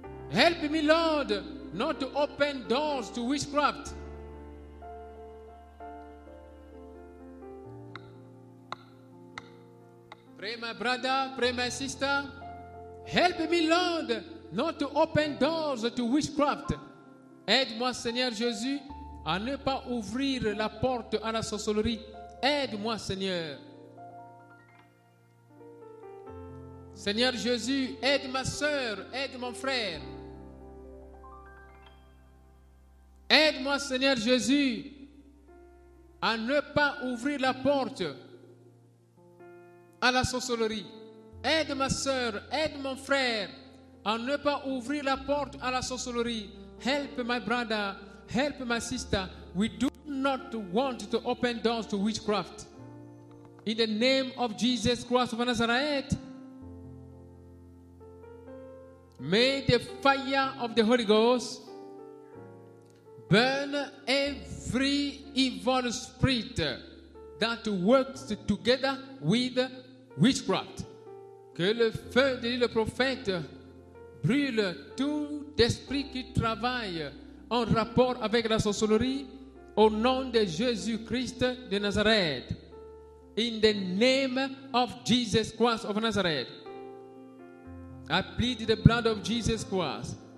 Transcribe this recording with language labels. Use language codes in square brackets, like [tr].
[en] Help me, Lord, not to open doors to witchcraft. Pray, my brother, pray, my sister. Help me, Lord, not to open doors to witchcraft. [fr] Aide-moi, Seigneur Jésus, à ne pas ouvrir la porte à la sorcellerie. Aide-moi, Seigneur. Seigneur Jésus, aide ma soeur, aide mon frère. Aide-moi, Seigneur Jésus, à ne pas ouvrir la porte à la sorcellerie. Aide ma soeur, aide mon frère à ne pas ouvrir la porte à la sorcellerie. [en] Help my brother, help my sister. We do not want to open doors to witchcraft. In the name of Jesus Christ of Nazareth, may the fire of the Holy Ghost burn every evil spirit that works together with witchcraft. [fr] Que le feu de le prophète brûle tout esprit qui travaille en rapport avec la sorcellerie au nom de Jésus Christ de Nazareth. [en] In the name of Jesus Christ of Nazareth, I plead the blood of Jesus Christ.